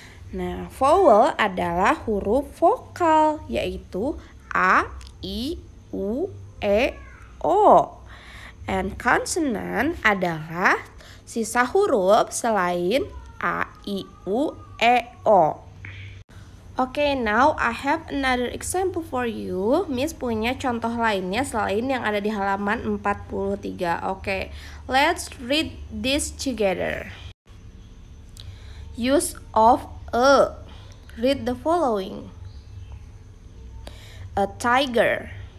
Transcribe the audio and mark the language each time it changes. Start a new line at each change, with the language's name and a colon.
Indonesian: Nah, vowel adalah huruf vokal, yaitu A, I, U, E, O. And konsonan adalah sisa huruf selain A, I, U, E, O.
English: Okay, now I have another example for you.
Indonesian: Miss punya contoh lainnya selain yang ada di halaman 43.
English: Okay, let's read this together. Use of a. Read the following. A tiger.